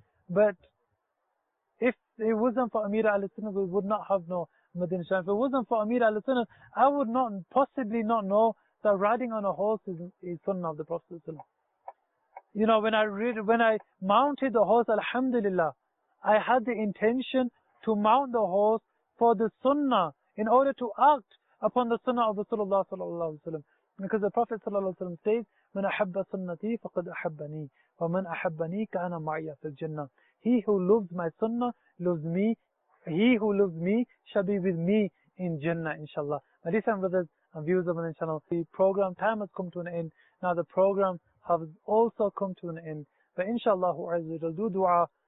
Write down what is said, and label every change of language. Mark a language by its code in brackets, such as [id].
[en] But if it wasn't for Amir al-Sunnah, we would not have known Madina Shah. If it wasn't for Amir al-Sunnah, I would not possibly not know that riding on a horse is Sunnah of the Prophet. You know, when I mounted the horse, Alhamdulillah, I had the intention to mount the horse for the Sunnah, in order to act upon the Sunnah of Rasulullah sallallahu alaihi wasallam. Because the Prophet sallallahu alaihi wasallam says, [ar] من أحب سنتي فقد أحبني ومن أحبني كان معي في الجنة. [en] He who loves my sunnah loves me. He who loves me shall be with me in Jannah, inshallah. My dear son, brothers and viewers of Madani Channel, the program time has come to an end. Now the program has also come to an end. But inshallah, we'll do dua.